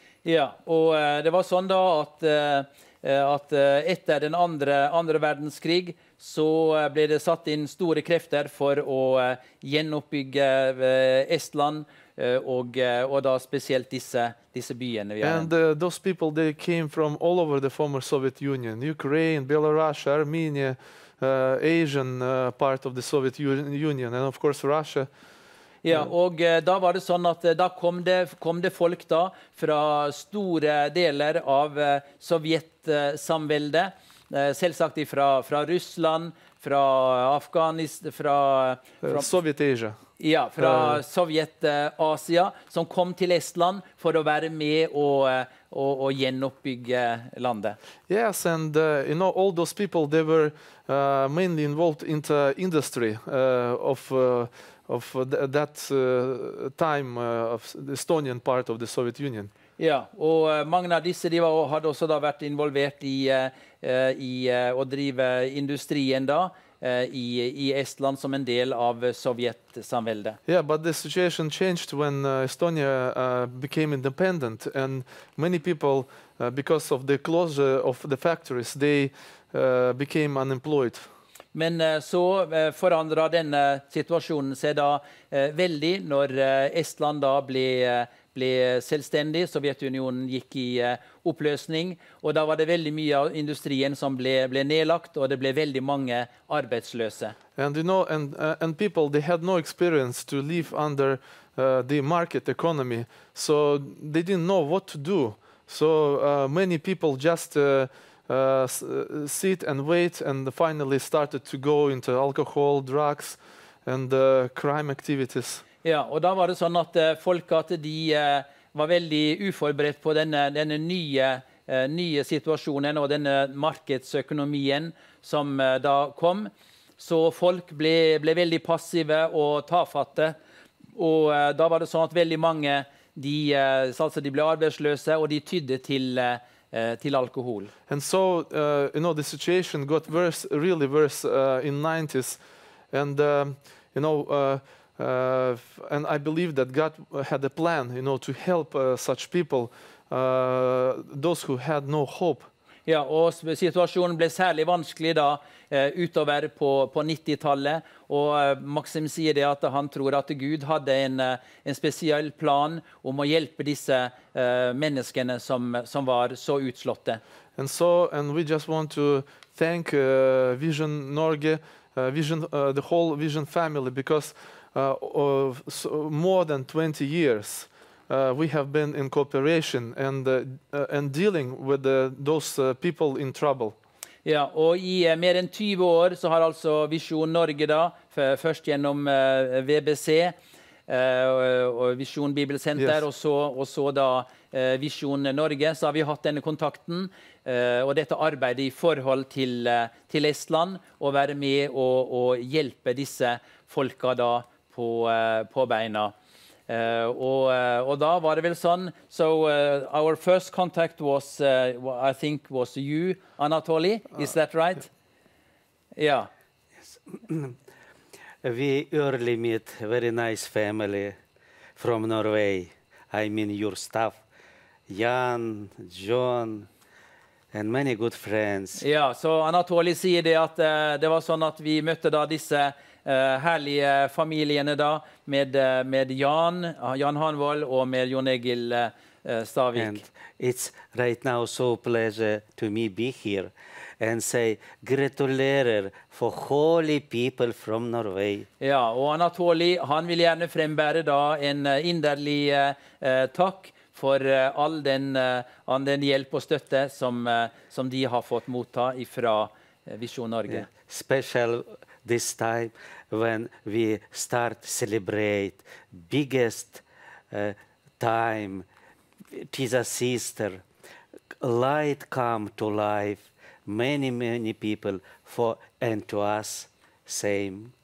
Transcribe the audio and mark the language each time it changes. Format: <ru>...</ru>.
<no>Ja, og det var sånn da at at etter den andre verdenskrig så ble det satt inn store krefter for å gjenoppbygge Estland og da spesielt disse byene vi har.</no> <en>And those people they came from all over the former Soviet Union, Ukraine, Belarus, Armenia, Asian part of the Soviet Union and of course Russia.</en> <no>Ja, og da var det sånn at da kom det folk da fra store deler av Sovjetsamveldet, selvsagt fra Russland, fra Afghanistan, fra Sovjet-Asia. Ja, fra Sovjet-Asia, som kom til Estland for å være med og gjenoppbygge landet.</no> <en>Yes, and you know, all those people, they were mainly involved in the industry of that time of the Estonian part of the Soviet Union.</en> <no>Ja, og mange av disse de hadde også da vært involvert i å drive industrien da i Estland som en del av Sovjetsamveldet.</no> <en>Yeah, but the situation changed when Estonia became independent and many people because of the closure of the factories they became unemployed.</en> <no>Men så forandret denne situasjonen seg da veldig når Estland da ble selvstendig. Sovjetunionen gikk i oppløsning, og da var det veldig mye av industrien som ble nedlagt, og det ble veldig mange arbeidsløse.</no> <en>And you know, and people, they had no experience to live under the market economy, so they didn't know what to do. So many people just sit and wait and finally started to go into alcohol, drugs and crime activities.</en> <no>Ja, og da var det sånn at folk at de var veldig uforberedt på denne nye situasjonen og denne markedsøkonomien som da kom. Så folk ble veldig passive og tafatte. Og da var det sånn at veldig mange de ble arbeidsløse og de tydde til alkohol.</no> <en>And so you know the situation got worse, really worse in 90s and you know and I believe that God had a plan, you know, to help such people, those who had no hope.</en> <no>Ja, og situasjonen ble særlig vanskelig da utover på 90-tallet, og Maxim sier det at han tror at Gud hadde en spesiell plan om å hjelpe disse menneskene som var så utslåtte.</no> <en>And so, and we just want to thank Vision Norge, Vision, the whole Vision family, because of so more than 20 years we have been in cooperation and dealing with those people in trouble.</en> <no>Ja, og i mer enn 20 år så har altså Visjon Norge da, først gjennom VBC, og Visjon Bibelsenter, yes. og så da Visjon Norge, så har vi hatt denne kontakten og dette arbeidet i forhold til Estland, og være med og hjelpe disse folka da på beina. Og da var det vel sånn,</no> <en>so our first contact was, I think, was you, Anatoly, is that right? Yeah. Yes. We early meet very nice family from Norway. I mean your staff, Jan, John, and many good friends.</en> <no>Yeah, so Anatoly sier det at det var sånn at vi møtte da disse herlige familiene da med Jan Hanvold og med Jon Egil Stavik.</no> <en>And it's right now so pleasure to me be here and say gratulerer for holy people from Norway.</en> <no>Ja, og Anatoly, han vil gjerne frembære da en inderlig takk for all den hjelp og støtte som de har fått motta ifra Visjon Norge.</no> <en>Yeah. Special this time when we start celebrate biggest time Jesus Easter, light come to life, many people for and to us same.</en>